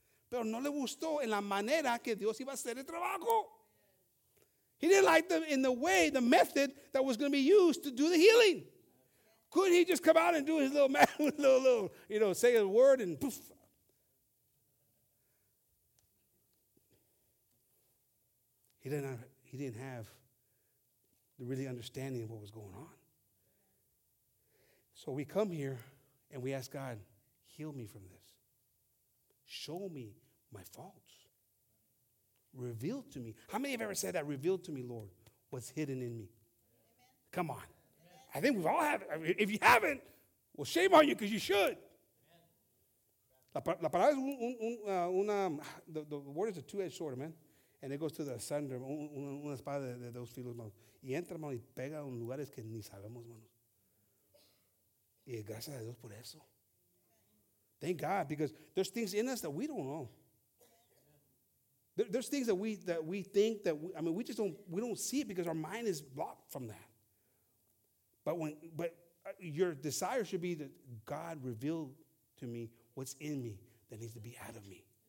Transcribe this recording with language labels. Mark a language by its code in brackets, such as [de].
[es] Pero no le gustó en la manera que Dios iba a hacer el trabajo. [en] He didn't like them in the way, the method that was going to be used to do the healing. Couldn't he just come out and do his little magic, say a word and poof. He didn't have the really understanding of what was going on. So we come here and we ask God, heal me from this. Show me my faults. Reveal to me. How many have ever said that? Reveal to me, Lord, what's hidden in me. Amen. Come on. Amen. I think we've all have it. I mean, if you haven't, well, shame on you, because you should. [es] La palabra es una, [en] the word is a two-edged sword, man. And it goes to the asunder, [es] una espada de dos filos, manos. Y entra, mano, y pega en lugares que ni sabemos, mano. Y gracias a Dios por eso. [en] Thank God, because there's things in us that we don't know. There's things that we think that, we just don't see it because our mind is blocked from that. But your desire should be that God reveal to me what's in me that needs to be out of me.